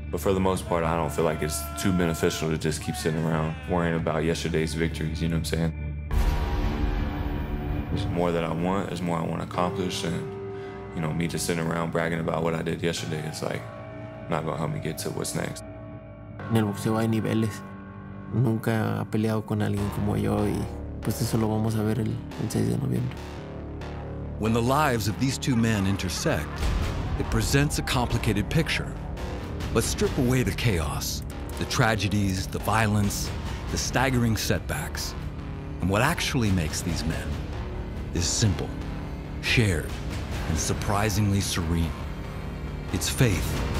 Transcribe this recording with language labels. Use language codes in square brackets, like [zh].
[en] But for the most part, I don't feel like it's too beneficial to just keep sitting around worrying about yesterday's victories, you know what I'm saying? There's more that I want, there's more I want to accomplish, and, you know, me just sitting around bragging about what I did yesterday, it's like, not gonna help me get to what's next. [es] En el boxeo hay niveles. Nunca ha peleado con alguien como yo, y pues eso lo vamos a ver el 6 de noviembre. [en] When the lives of these two men intersect, it presents a complicated picture. But strip away the chaos, the tragedies, the violence, the staggering setbacks. And what actually makes these men is simple, shared, and surprisingly serene. It's faith.